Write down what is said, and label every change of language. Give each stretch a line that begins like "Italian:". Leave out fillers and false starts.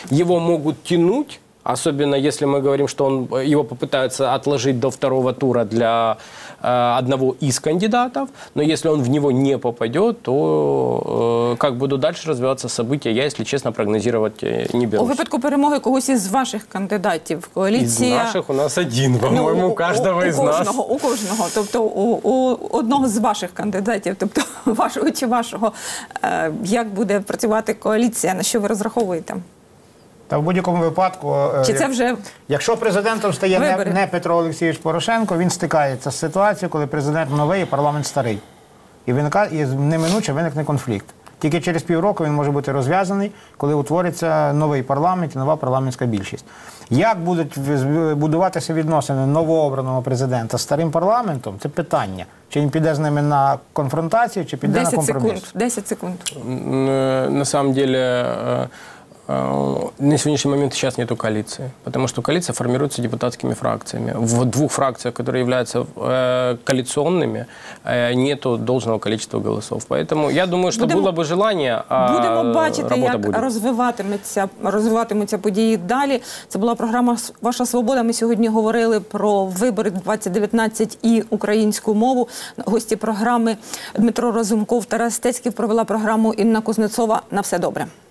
Russian: Его могут тянуть, особенно если мы говорим, что он, его попытаются отложить до второго тура для одного из кандидатов, но если он в него не попадет, то как будут дальше развиваться события, я, если честно, прогнозировать не берусь.
Ukrainian: У випадку перемоги когось из ваших кандидатів в коаліції?
Russian: Из наших у нас один, по-моему, ну, каждого
Ukrainian: у из кожного, нас. У кожного, Тобто у одного з ваших кандидатів, тобто вашого чи вашого, як буде працювати коаліція, на що ви розраховуєте? Та в будь-якому випадку, чи це вже якщо президентом стає не Петро Олексійович Порошенко, він стикається з ситуацією, коли президент новий і парламент старий. І виникає, і неминуче виникне конфлікт. Тільки через півроку він може бути розв'язаний, коли утвориться новий парламент і нова парламентська більшість. Як будуть будуватися відносини новообраного президента з старим парламентом, це питання. Чи він піде з ними на конфронтацію, чи піде на компроміс? 10 секунд.
Russian: На самом деле, На сегодняшний момент сейчас нету коалиции, потому что коалиция формируется депутатскими фракциями. В двух фракциях, которые являются коалиционными, нету должного количества голосов. Поэтому я думаю, что
Ukrainian: будемо,
Russian: было бы желание,
Ukrainian: будемо бачити, як розвиватиметься події далі. Це була програма «Ваша свобода». Ми сьогодні говорили про вибори 2019 і українську мову. Гості програми Дмитро Разумков, Тарас Стецьків, провела програму Інна Кузнецова. На все добре.